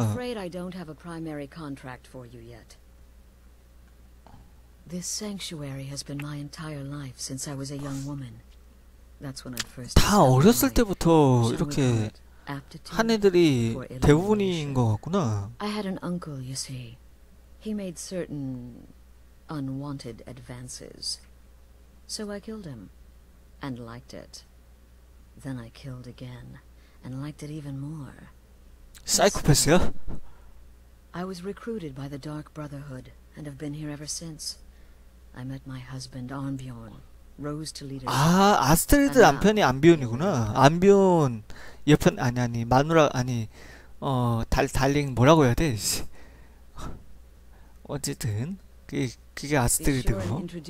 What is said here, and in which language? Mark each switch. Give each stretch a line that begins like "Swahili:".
English: I'm afraid I don't have a primary contract for you yet. This sanctuary has been my entire life since I was a young woman. That's when I first.
Korean: 다 어렸을 때부터 이렇게. 한 애들이 대부분인 것 같구나.
English: I had an uncle, you see. He made certain unwanted advances. So I killed him and liked it. Then I killed again and liked it even more.
Korean: 사이코패스야?
English: I was recruited by the Dark Brotherhood and have been here ever since. I met my husband Arnbjorn.
Korean: 아, 아스트리드 남편이 안비온이구나. 안비온 옆편 아니 아니 마누라 아니 달링 뭐라고 해야 돼? 어쨌든 그게 아스트리드고.